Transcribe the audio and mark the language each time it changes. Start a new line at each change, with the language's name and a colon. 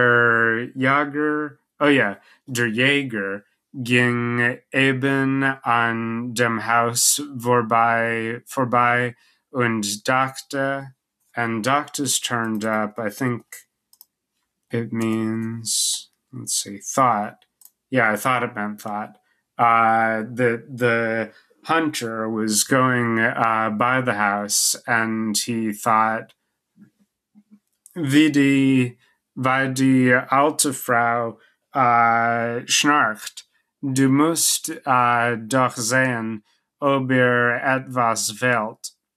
German: Der Jaeger ging eben an dem Haus vorbei und dachte.
English: And doctors turned up, I think it means, let's see, thought. Yeah, I thought it meant thought. The hunter was going by the house, and he thought,
German: wie die alte Frau schnarcht, du musst doch sehen, ob ihr etwas wählt.